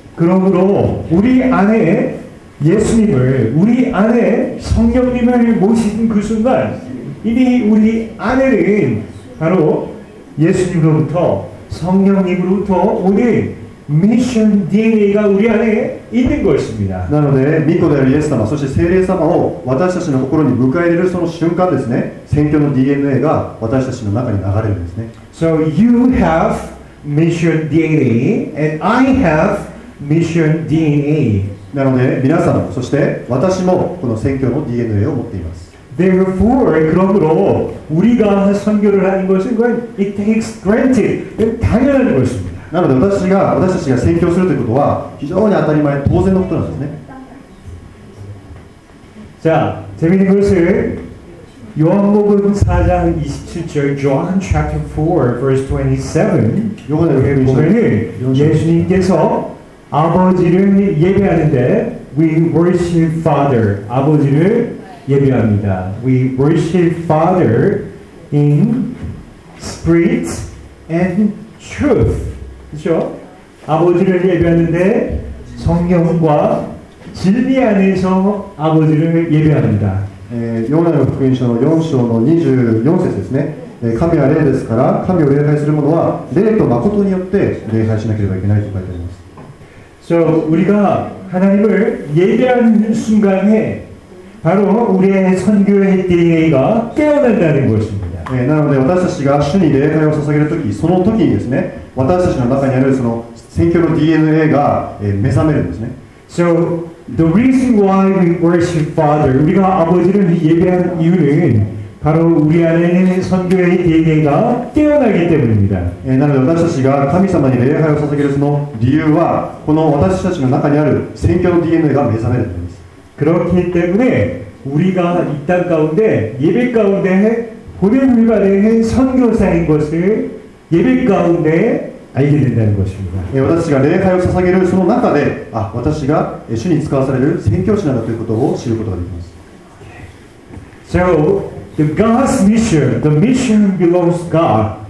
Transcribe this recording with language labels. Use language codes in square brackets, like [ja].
[ko] 그러므로우리안에예수님을우리안에성령님을모신그순간이미우리안에는바로예수님으로부터성령님으로부터오늘 mission DNA が우리 안에 있는 것입니다. [ja] なので御子であるイエス様、そして聖霊様を私たちの心に迎え入れるその瞬間ですね、宣教の DNA が私たちの中に流れるんですね。 [en] So you have mission DNA and I have mission DNA. [ja] なので皆さん、そして私もこの宣教の DNA を持っています。 [en] Therefore, [ko] 그러므로우리가선교를하는것은 [en] it takes granted, [ko] 당연한것입니다。 [ja] なので私たちが宣教するということは非常に当たり前、当然のことなんですね。じゃあ、 [ko] 재미있는것을요한복음4장27절 [en] John chapter 4 verse 27 [ko] 요한복음 보면은예수님께서아버지를예배하는데 [en] We worship Father, [ko] 아버지를예배합니다 [en] We worship Father in spirit and truth. [ko] 그쵸? 아버지를예배하는데 성령과 진리 안에서 아버지를예배합니다 [ja] ヨハネ福音書の4章の24節ですね。神は霊ですから、神を礼拝する者は霊と誠によって礼拝しなければいけないと書いてあります。 [en] So, [ko] 우리가 하나님을 예배하는 순간에바로우리의선교의 DNA 가깨어난다는것입니다。 [ja] なので私たちが主に礼拝を捧げるとき、そのときにですね、私たちの中にあるその宣教の DNA が目覚めるんですね。 [en] So the reason why we worship Father, [ko] 우리가아버지를예배한이유는바로우리안에있는선교의 DNA 가깨어나기때문입니다。 [ja] なので私たちが神様に礼拝を捧げるその理由は、この私たちの中にある宣教の DNA が目覚めるんです。 [ko] 그렇기때문에우리가이땅가운데예배가운데보내는일반의선교사인것을예배가운데알게된다는것입니다。 예、 [ja] 私が礼拝を捧げるその中で、あ、私が主に使わされる宣教師なんだということを知ることができます。 [en] So, the God's mission, the mission belongs to God.